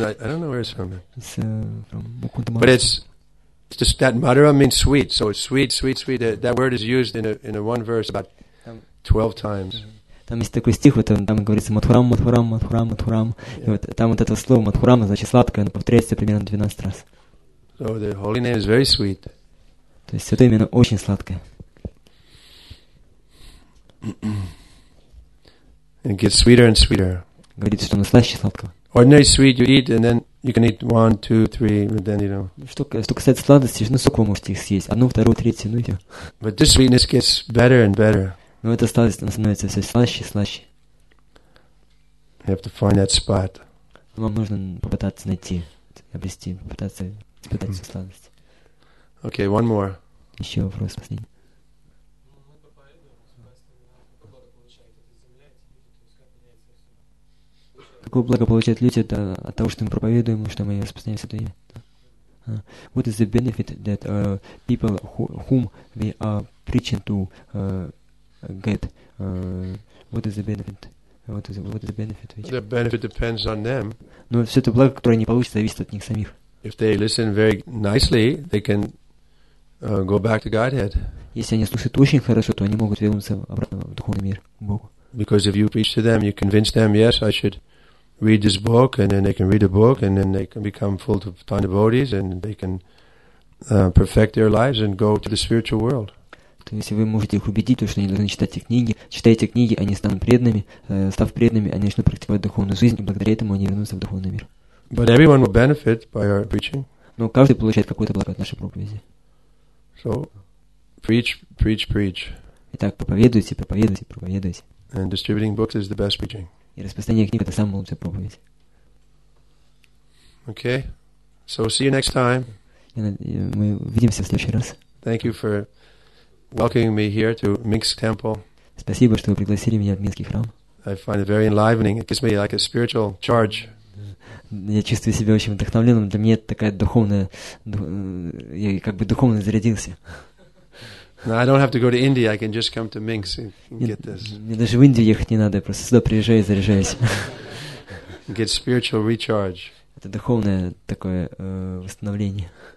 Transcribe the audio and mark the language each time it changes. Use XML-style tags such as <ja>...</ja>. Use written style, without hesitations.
<en>From that, I don't know where it's from. It's from Mukunda. But it's just that madaram means sweet. So it's sweet, sweet, sweet. That word is used in a one verse about 12 times.</en> <ru>Там есть такой стих, вот там говорится Матхурам, Матхурам, Матхурам, Матхурам. И вот там вот это слово Матхурам, значит сладкое, оно повторяется примерно 12 раз.</ru> <en>So the holy name is very sweet.</en> <ru>То есть святое имя очень сладкое.</ru> <en>It gets sweeter and sweeter.</en> <ru>Говорится, что оно слаще сладкого.</ru> <en>Ordinary sweet you eat, and then you can eat one, two, three, but then, you know.</en> <ru>Что касается сладости, ну сколько вы можете их съесть? Одну, вторую, третью, ну и все.</ru> <en>But this sweetness gets better and better.</en> <ru>Но эта сладость становится все слаще и слаще.</ru> <en>You have to find that spot.</en> <ru>Вам нужно попытаться найти, обрести, попытаться испытать всю сладость.</ru> <en>Okay, one more.</en> <ru>Еще вопрос последний. Какое благо получают люди от того, что мы проповедуем, что мы распространяем святое имя?</ru> <en>What is the benefit that people whom we are preaching to get what is the benefit What is the benefit? Which... The benefit depends on them.</en> <ru>Но все это благо, которое они получат, зависит от них самих.</ru> <en>If they listen very nicely, they can go back to Godhead.</en> <ru>Если они слушают очень хорошо, то они могут вернуться обратно в духовный мир, к Богу.</ru> <en>Because if you preach to them, you convince them, yes, I should read this book, and then they can read the book, and then they can become full of divine devotees, and they can perfect their lives and go to the spiritual world.</en> <ru>То есть вы можете их убедить, что они должны читать эти книги. Читая эти книги, они станут преданными. Став преданными, они начнут практиковать духовную жизнь, и благодаря этому они вернутся в духовный мир.</ru> <en>But everyone will benefit by our preaching.</en> <ru>Но каждый получает какое-то благо от нашей проповеди.</ru> <en>So, preach, preach, preach.</en> <ru>Итак, проповедуйте, проповедуйте, проповедуйте.</ru> <en>And distributing books is the best preaching.</en> <ru>И распространение книг — это самая лучшая проповедь.</ru> <en>Okay. So, see you next time.</en> <ru>Мы увидимся в следующий раз.</ru> <en>Thank you for welcoming me here to Minsk Temple.</en> <ru>Спасибо, что вы пригласили меня в Минский храм.</ru> <en>I find it very enlivening. It gives me like a spiritual charge.</en> <ru>Я чувствую себя очень вдохновленным. Для меня это такая духовная... Я как бы духовно зарядился.</ru> <en>No, I don't have to go to India. I can just come to Minsk and get this.</en> <ru>Мне даже в Индию ехать не надо. Я просто сюда приезжаю и заряжаюсь.</ru> <en>Get spiritual recharge.</en> <ru>Это духовное такое восстановление.</ru>